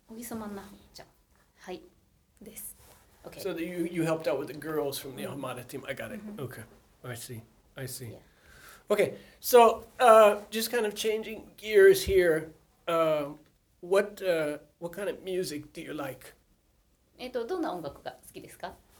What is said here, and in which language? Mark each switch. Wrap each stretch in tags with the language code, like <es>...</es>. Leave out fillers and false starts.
<ja>小木曽真奈穂ちゃん、はい、です。</ja> <en>Okay, so you helped out with the girls from the Hamada team. I got it. Okay, I see、 yeah. Okay, so just kind of changing gears here, what kind of music do you like?</en> <ja>どんな音楽が好きですか？</ja>